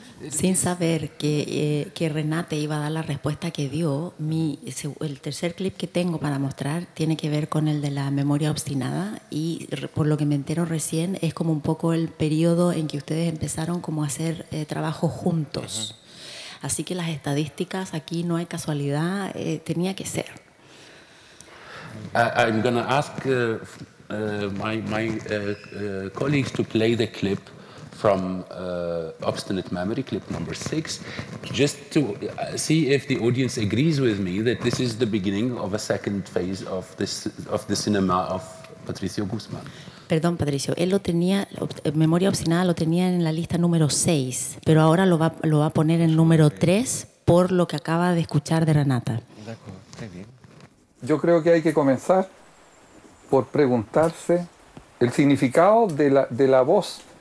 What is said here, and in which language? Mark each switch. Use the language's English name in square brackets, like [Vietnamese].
[Spanish] Sin saber que Renata iba a dar la respuesta que dio, el tercer clip que tengo para mostrar tiene que ver con el de la memoria obstinada y por lo que me entero recién es como un poco el periodo en que ustedes empezaron como a hacer trabajo juntos. Uh-huh. Así que las estadísticas, aquí no hay casualidad, tenía que ser. [English] I'm going to ask my colleagues to play the clip from Obstinate Memory, clip number 6, just to see if the audience agrees with me that this is the beginning of a second phase of the cinema of Patricio Guzmán. [Spanish] Perdón, Patricio, él lo tenía, Memoria Obstinada lo tenía en la lista número 6, pero ahora lo va a poner en número 3 por lo que acaba de escuchar de Renata. Yo creo que hay que comenzar por preguntarse el significado de la voz.